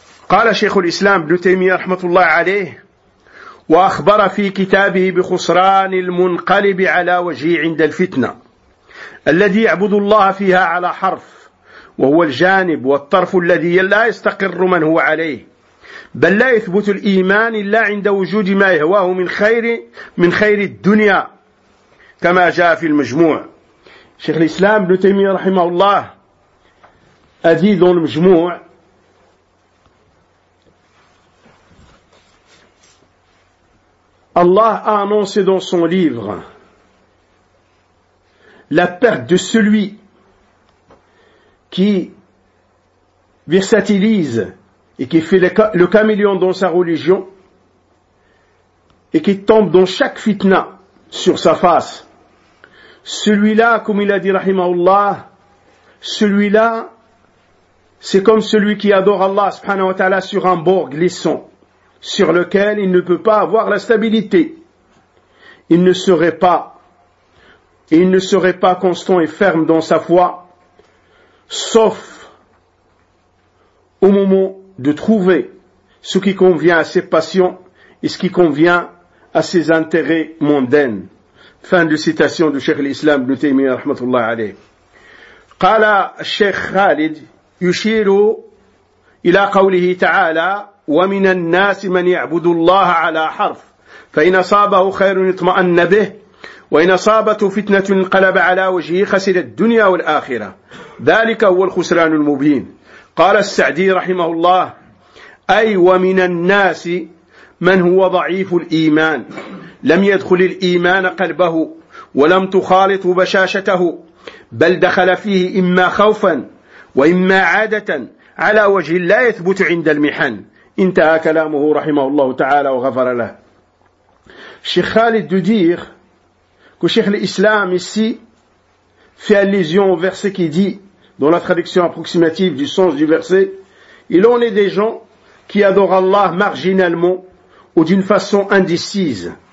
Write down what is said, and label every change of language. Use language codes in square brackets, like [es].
[ar] قال شيخ الإسلام ابن تيمية رحمة الله عليه وأخبر في كتابه بخسران المنقلب على وجهه عند الفتنة الذي يعبد الله فيها على حرف وهو الجانب والطرف الذي لا يستقر من هو عليه بل لا يثبت الإيمان إلا عند وجود ما يهواه من خير من خير الدنيا كما جاء في المجموع. شيخ الإسلام ابن تيمية رحمه الله أزيد المجموع [fr] Allah a annoncé dans son livre la perte de celui qui versatilise et qui fait le caméléon dans sa religion et qui tombe dans chaque fitna sur sa face. Celui-là, comme il a dit, rahimahullah, celui-là, c'est comme celui qui adore Allah subhanahu wa ta'ala sur un bord glissant, sur lequel il ne peut pas avoir la stabilité. Il ne serait pas constant et ferme dans sa foi, sauf au moment de trouver ce qui convient à ses passions et ce qui convient à ses intérêts mondains. Fin de citation du Cheikh l'Islam Ibn Taymiyyah rahmatullah alayh. [ar] Qala Cheikh Khalid yushiru ila qawlihi ta'ala ومن الناس من يعبد الله على حرف فإن أصابه خير اطمأن به وإن أصابته فتنة انقلب على وجهه خسر الدنيا والآخرة ذلك هو الخسران المبين. قال السعدي رحمه الله أي ومن الناس من هو ضعيف الإيمان لم يدخل الإيمان قلبه ولم تخالط بشاشته بل دخل فيه إما خوفا وإما عادة على وجه لا يثبت عند المحن انتهى كلامه رحمه الله تعالى وغفر له. [fr] Cheikh Khalid de dire que Cheikh l'Islam ici fait allusion au verset qui dit, dans la traduction approximative du sens du verset, il en est des gens qui adorent Allah marginalement ou d'une façon indécise.